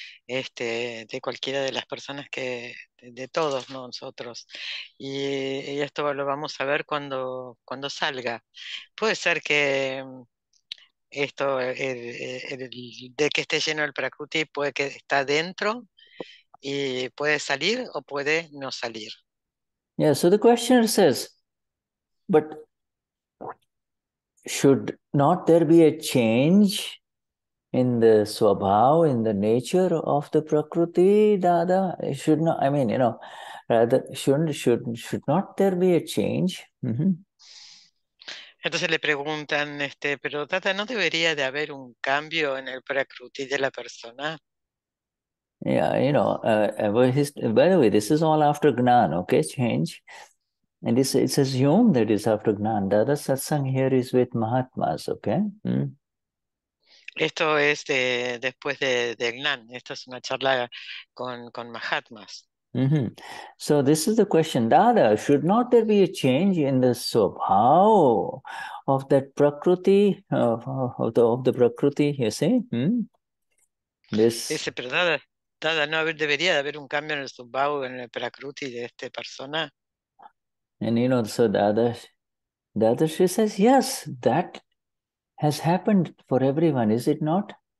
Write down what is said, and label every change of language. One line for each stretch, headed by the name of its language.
Spanish: Este, de cualquiera de las personas que, de todos, ¿no? Nosotros. Y esto lo vamos a ver cuando salga. Puede ser que esto, de que esté lleno el prakruti, puede que está dentro y puede salir o puede no salir.
English: Yeah, so the questioner says, but should not there be a change in the swabhav, in the nature of the prakruti, Dada? Should not, I mean, you know, rather, should not there be a change? Mm-hmm.
Spanish: Entonces le preguntan, pero Dada, ¿no debería de haber un cambio en el prakruti de la persona?
English: Yeah, you know, by the way, this is all after Gnan, okay, change. And it's assumed that it's after Gnan. Dada Satsang here is with Mahatmas, okay? Mm.
Spanish: Esto es después de Gnan. Esta es una charla con Mahatmas.
English: Mm-hmm. So this is the question. Dada, should not there be a change in the swabhav of that prakruti, of the prakruti, you see? Mm?
Spanish: Dice, pero Dada, ¿no debería de haber un cambio en el swabhav, en el prakruti de esta persona?
English: And you know, so Dadashri says, yes, that has happened for everyone, is it not?